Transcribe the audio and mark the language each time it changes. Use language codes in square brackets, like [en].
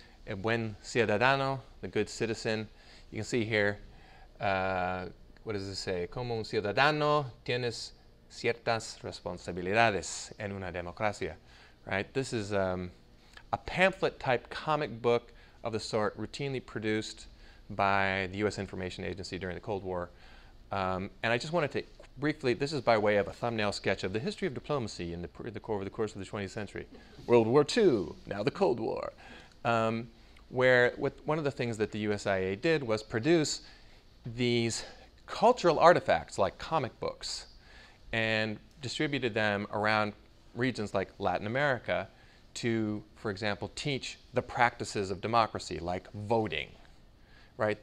[es] El buen ciudadano, [en] the good citizen. You can see here, what does it say? [es] Como un ciudadano tienes ciertas responsabilidades en una democracia, right? [en] This is a pamphlet-type comic book of the sort routinely produced by the U.S. Information Agency during the Cold War. And I just wanted to briefly, this is by way of a thumbnail sketch of the history of diplomacy in the core of the course of the 20th century. World War II, now the Cold War. Where with one of the things that the USIA did was produce these cultural artifacts like comic books and distributed them around regions like Latin America to, for example, teach the practices of democracy like voting, right?